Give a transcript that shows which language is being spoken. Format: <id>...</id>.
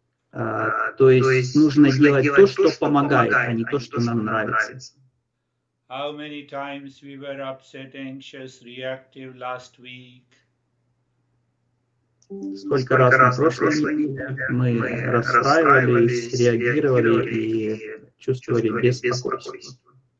<ru>То есть нужно делать то, что помогает, а не то, что нам нравится.</ru> <en>How many times we were upset, anxious, reactive last week?</en> <ru>Сколько раз на прошлой неделе мы расстраивались, реагировали и чувствовали беспокойство?</ru>